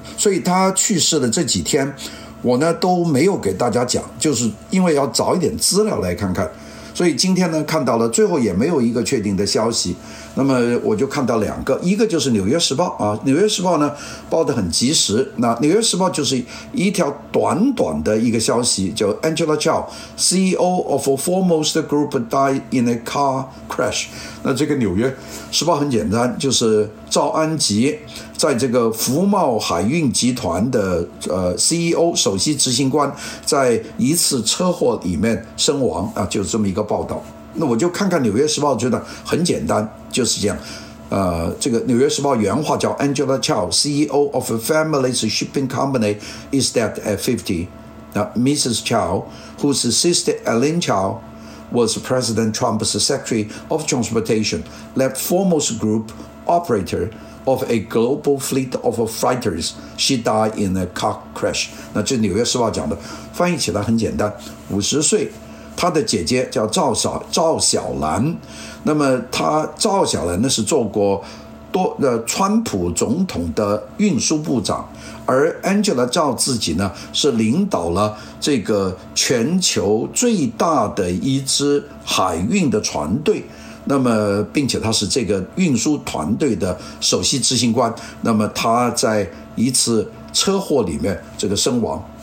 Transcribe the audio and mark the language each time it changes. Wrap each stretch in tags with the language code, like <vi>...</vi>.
<zh>所以他去世的这几天我呢都没有给大家讲，就是因为要找一点资料来看看。所以今天呢看到了最后也没有一个确定的消息，那么我就看到两个，一个就是纽约时报啊，纽约时报呢报得很及时。那纽约时报就是一条短短的一个消息，叫</zh> <en>Angela Chow CEO of a foremost group died in a car crash。</en> <zh>那这个纽约时报很简单，就是赵安吉在这个福茂海运集团的CEO 首席执行官在一次车祸里面身亡啊，就是这么一个报道。那我就看看纽约时报，觉得很简单，就是这样。这个纽约时报原话叫</zh> <en>Angela Chow CEO of a family's shipping company is dead at 50. Mrs. Chow, whose sister Ellen Chow was President Trump's Secretary of Transportation, left foremost group operator of a global fleet of freighters. She died in a car crash.</en> <zh>那这是纽约时报讲的，翻译起来很简单，50岁，他的姐姐叫赵小兰，那么他赵小兰呢是做过川普总统的运输部长，而 Angela 赵自己呢是领导了这个全球最大的一支海运的船队，那么并且他是这个运输团队的首席执行官，那么他在一次车祸里面这个身亡。</zh>